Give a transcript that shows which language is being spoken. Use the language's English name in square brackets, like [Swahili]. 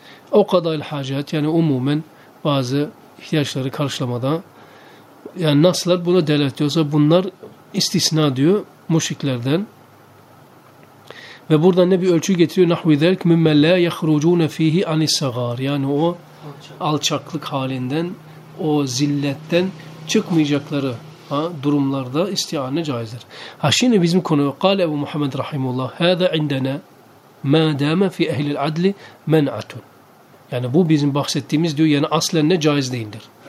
[Turkish] O kadar hacet, yani umumen bazı ihtiyaçları karşılamada, yani naslar buna delalet ediyorsa bunlar istisna diyor müşriklerden. Ve burada ne bir ölçü getiriyor? [Arabic] Nahvi zelk mimme la yahrucuna fihi anisagar. [Turkish] Yani o alçaklık halinden, o zilletten çıkmayacakları ha, durumlarda istiane caizdir. Ha şimdi bizim konu, [Arabic] قال ابو محمد رحمه الله هذا عندنا ما دام في اهل العدل منعه. [Turkish] Yani bu bizim bahsettiğimiz diyor, yani aslen ne caiz değildir.